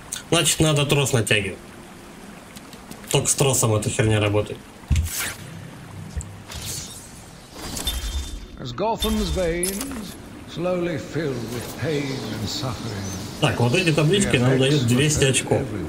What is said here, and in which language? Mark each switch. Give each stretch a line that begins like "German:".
Russian: Значит, надо трос натягивать. Только с тросом эта херня работает.
English: As Gotham's veins slowly filled with pain and suffering.
Russian: Так, вот эти таблички нам дают 200 очков.